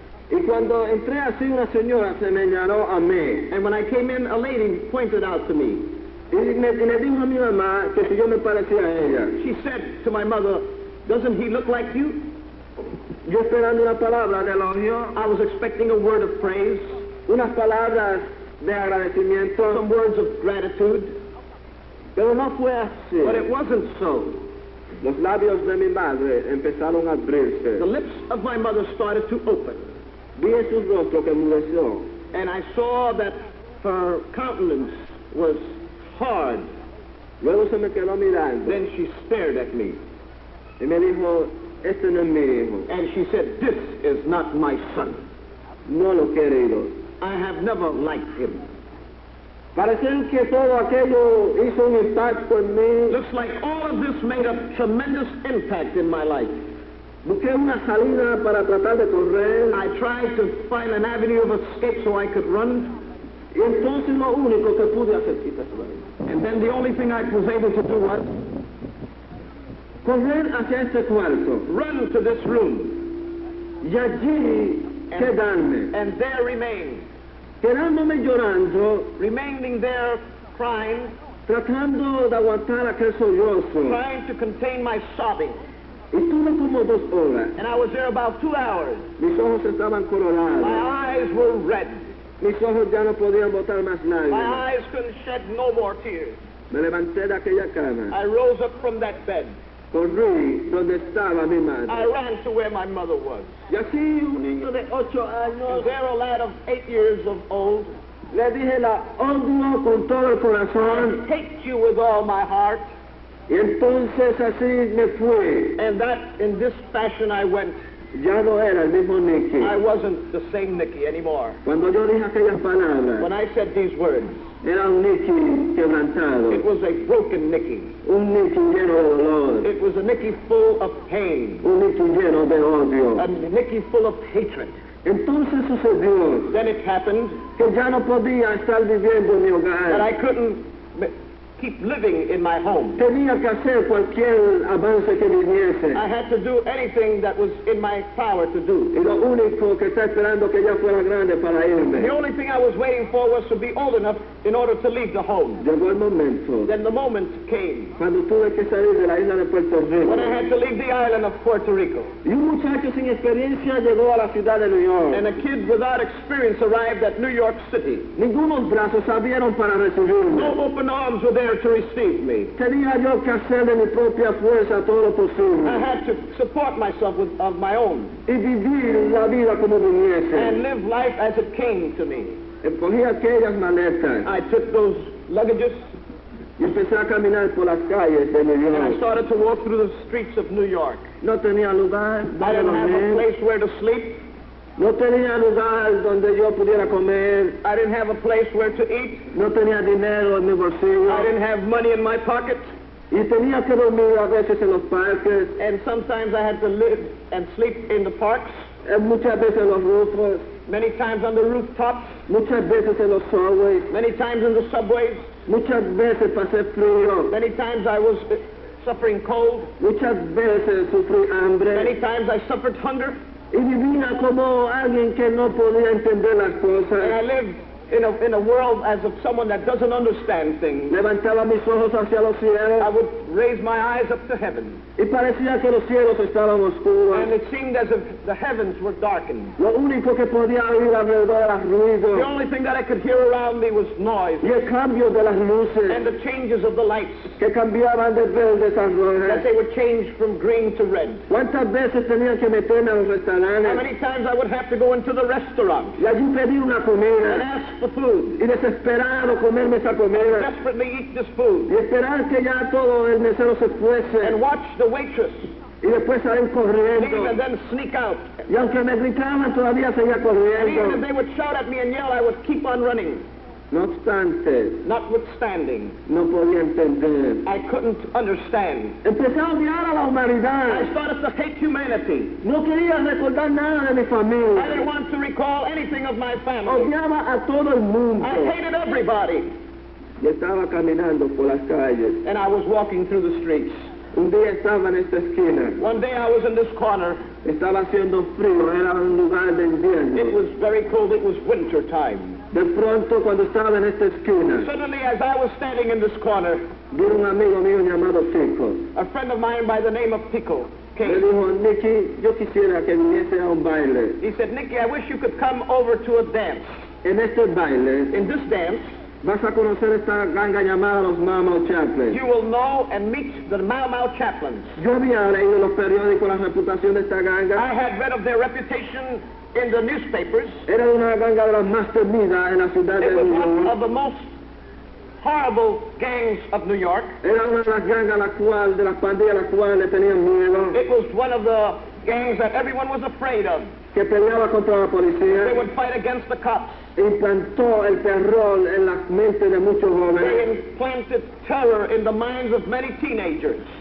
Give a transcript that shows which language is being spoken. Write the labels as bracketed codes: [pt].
[es] Y cuando entré así, una señora se me llamó a mí. [en] And when I came in, a lady pointed out to me. [es] Y me dijo a mi mamá que si yo me parecía a ella. [en] She said to my mother, doesn't he look like you? [es] Yo esperando una palabra de elogio. [en] I was expecting a word of praise. [es] Unas palabras de agradecimiento. [en] Some words of gratitude. [es] Pero no fue así. [en] But it wasn't so. [es] Los labios de mi madre empezaron a abrirse. [en] The lips of my mother started to open. [es] Vi su rostro que mudeció. [en] And I saw that her countenance was hard. [es] Luego se me quedó mirando. [en] Then she stared at me. [es] Y me dijo, este no es mi hijo. [en] And she said, this is not my son. [es] No lo querido. [en] I have never liked him. [es] Parece que todo aquello hizo un impacto en mí. [en] Looks like all of this made a tremendous impact in my life. [es] Busqué una salida para tratar de correr. [en] I tried to find an avenue of escape so I could run. [es] Y entonces lo único que pude hacer fue. [en] And then the only thing I was able to do was [es] correr hacia este cuarto. [en] Run to this room. [es] Y allí quedarme. [en] And there remain. [es] Quedándome llorando. [en] Remaining there crying. [es] Tratando de aguantar aquel sollozo. [en] Trying to contain my sobbing. [es] Y estuve como 2 horas. [en] And I was there about 2 hours. [es] Mis ojos estaban colorados. [en] My eyes were red. [es] Mis ojos ya no podían botar más lágrimas. [en] My eyes couldn't shed no more tears. [es] Me levanté de aquella cama. [en] I rose up from that bed. [es] Corrí donde estaba mi madre. [en] I ran to where my mother was. [es] Y así un niño de 8 años. [en] And there a lad of 8 years of old. [es] Le dije la odio con todo el corazón. [en] I hate you with all my heart. [es] Y entonces así me fui. [en] And that, in this fashion I went. [es] Ya no era el mismo Nicky. [en] I wasn't the same Nicky anymore. [es] Cuando yo dije aquellas palabras, [en] when I said these words, [es] era un Nicky quebrantado. [en] It was a broken Nicky. [es] Un Nicky lleno de dolor. [en] It was a Nicky full of pain. [es] Un Nicky lleno de odio. [en] A Nicky full of hatred. [es] Entonces sucedió. [en] Then it happened. [es] Que ya no podía estar viviendo en mi hogar. [en] That I couldn't keep living in my home. [es] Tenía que hacer cualquier avance que viniese. [en] I had to do anything that was in my power to do. [es] Y lo único que estaba esperando que ya fuera grande para irme. [en] The only thing I was waiting for was to be old enough in order to leave the home. [es] Llegó el momento. [en] Then the moment came. [es] Cuando tuve que salir de la isla de Puerto Rico. [en] When I had to leave the island of Puerto Rico. [es] Y un muchacho sin experiencia llegó a la ciudad de New York. [en] And a kid without experience arrived at New York City. [es] Ningunos brazos abrieron para recibirme. [en] No open arms were there to receive me. [es] Tenía yo que hacer de mi propia fuerza todo lo posible. [en] I had to support myself with, of my own. [es] Y vivir la vida como viniese. [en] And live life as it came to me. [es] Cogí aquellas maletas. [en] I took those luggages. [es] Yo empecé a caminar por las calles de New York. [en] And I started to walk through the streets of New York. [es] No tenía lugar. [en] I didn't have a place where to sleep. [es] No tenía lugar donde yo pudiera comer. [en] I didn't have a place where to eat. [es] No tenía dinero en mi bolsillo. [en] I didn't have money in my pocket. [es] Y tenía que dormir a veces en los parques. [en] And sometimes I had to live and sleep in the parks. [es] Muchas veces en los rufos. [en] Many times on the rooftops. [es] Muchas veces en los subways. [en] Many times in the subways. [es] Muchas veces pasé frío. [en] Many times I was suffering cold. [es] Muchas veces sufrí hambre. [en] Many times I suffered hunger. [es] Y vivía como alguien que no podía entender las cosas. [en] And I lived in a world as of someone that doesn't understand things. [es] Levantaba mis ojos hacia los cielos. [en] I would raise my eyes up to heaven. [es] Y parecía que los cielos estaban oscuros. [en] And it seemed as if the heavens were darkened. [es] Lo único que podía oír alrededor era ruido. [en] The only thing that I could hear around me was noise. [es] Y el cambio de las luces. [en] And the changes of the lights. [es] Que cambiaban de verde a rojo. [en] That they would change from green to red. [es] ¿Cuántas veces tenía que meterme a los restaurantes? [en] How many times I would have to go into the restaurant. [es] Y allí pedí una comida. [en] The food. [es] Y desesperado comerme esa comida. [en] Desperately eat this food. [es] Y esperar que ya todo el mesero se fuese. [en] And watch the waitress. [es] Y después salir corriendo. [en] And then sneak out. [es] Y aunque me gritaban, todavía seguía corriendo. [en] And even if they would shout at me and yell, I would keep on running. [es] No obstante. [en] Notwithstanding. [es] No podía entender. [en] I couldn't understand. [es] Empecé a odiar a la humanidad. [en] I started to hate humanity. [es] No quería recordar nada de mi familia. [en] I didn't want to recall anything of my family. [es] Odiaba a todo el mundo. [en] I hated everybody. [es] Y estaba caminando por las calles. [en] And I was walking through the streets. [es] Un día estaba en esta esquina. [en] One day I was in this corner. [es] Estaba haciendo frío, era un lugar de invierno. [en] It was very cold, it was winter time. [es] De pronto, cuando estaba en esta esquina, [en] suddenly, as I was standing in this corner, [es] vi un amigo mío llamado Pico. [en] A friend of mine by the name of Pico came. [es] Me dijo, Nicky, yo quisiera que viniese a un baile. [en] He said, Nicky, I wish you could come over to a dance. [es] En este baile, [en] in this dance, [es] vas a conocer esta ganga llamada los Mau Mau Chaplains. [en] You will know and meet the Mau Mau Chaplains. [es] Yo había leído los periódicos la reputación de esta ganga. [en] I had read of their reputation in the newspapers. [es] Era una ganga de las más temidas en la ciudad de New York. [en] It was one of the most horrible gangs of New York. [es] Era una de las gangas de las pandillas a las cuales le tenían miedo. [en] It was one of the gangs that everyone was afraid of. [es] Que peleaba contra la policía. [en] They would fight against the cops. [es] Implantó el terror en la mente de muchos jóvenes. [en] They implanted terror in the minds of many teenagers.